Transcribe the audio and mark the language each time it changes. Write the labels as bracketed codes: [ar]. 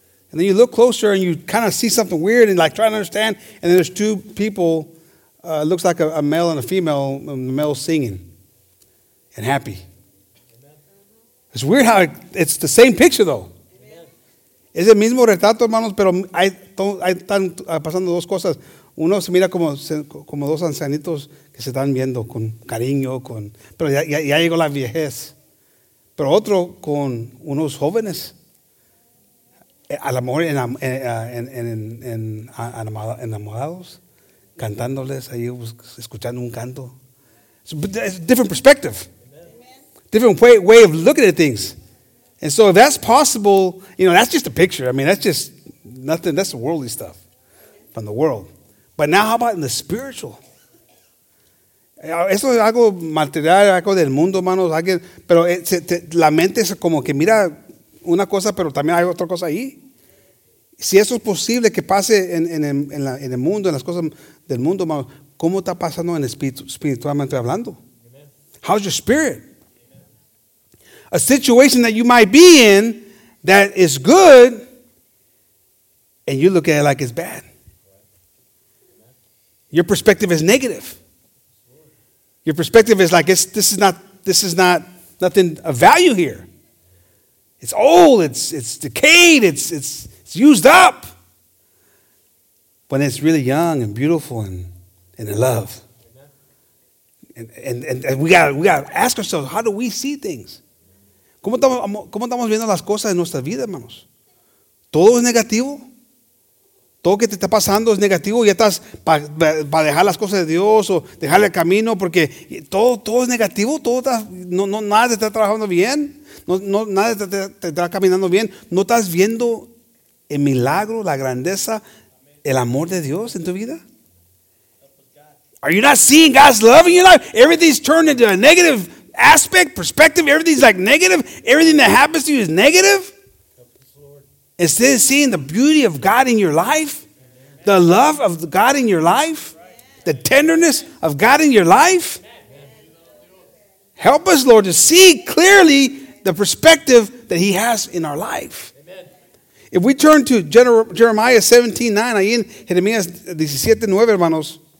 [en] And then you look closer and you kind of see something weird and like trying to understand. And then there's two people, it looks like a male and a female, and the male's singing and happy. Amen. It's weird how it's the same picture though. [es] Es el mismo retrato, hermanos, pero hay están pasando dos cosas. Uno se mira como dos ancianitos que se están viendo con cariño, pero ya llegó la vejez. Pero otro con unos jóvenes. A lo mejor en enamorados, cantándoles ahí, escuchando un canto. [en] So, it's a different perspective. Amen. Different way of looking at things. And so if that's possible, you know, that's just a picture. I mean, that's just nothing. That's the worldly stuff from the world. But now how about in the spiritual? [es] Eso es algo material, algo del mundo, hermanos. Pero la mente es como que mira una cosa, pero también hay otra cosa ahí. Si eso es posible que pase en el mundo, en las cosas del mundo, ¿cómo está pasando en espiritualmente hablando? [en] Amen. How's your spirit? Amen. A situation that you might be in that is good, and you look at it like it's bad. Your perspective is negative. Your perspective is like this is not nothing of value here. It's old. It's decayed. It's used up, when it's really young and beautiful and in love. And we got to ask ourselves, how do we see things? [es] ¿Cómo estamos viendo las cosas en nuestra vida, hermanos? ¿Todo es negativo? ¿Todo que te está pasando es negativo? ¿Ya estás para dejar las cosas de Dios o dejar el camino? Porque todo es negativo. Nada te está trabajando bien. Nada te está caminando bien. ¿No estás viendo el milagro, la grandeza, el amor de Dios en tu vida? [en] Are you not seeing God's love in your life? Everything's turned into a negative aspect, perspective. Everything's like negative. Everything that happens to you is negative. Instead of seeing the beauty of God in your life, the love of God in your life, the tenderness of God in your life, help us, Lord, to see clearly the perspective that He has in our life. If we turn to Jeremiah 17:9, [es] ahí en Jeremías 17:9, hermanos.